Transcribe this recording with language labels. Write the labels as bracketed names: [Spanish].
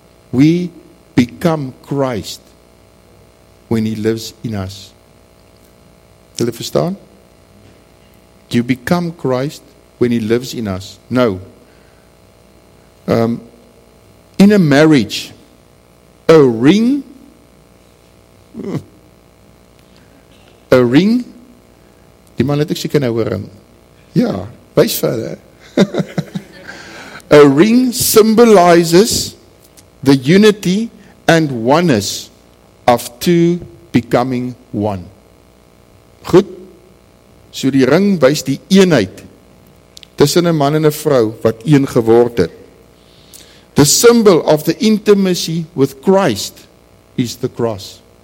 [English] We become Christ when he lives in us. [Afrikaans] Hulle verstaan? [English] You become Christ when he lives in us. [Afrikaans] Nou, [English] in a marriage, a ring, [Afrikaans] die man het ek seker nou 'n ring. Ja, wees verder. [English] A ring symbolizes the unity and oneness of two becoming one. [Afrikaans] Goed, so die ring wys die eenheid tussen 'n man en 'n vrou wat een geword het. [English] The symbol of the intimacy with Christ is the cross.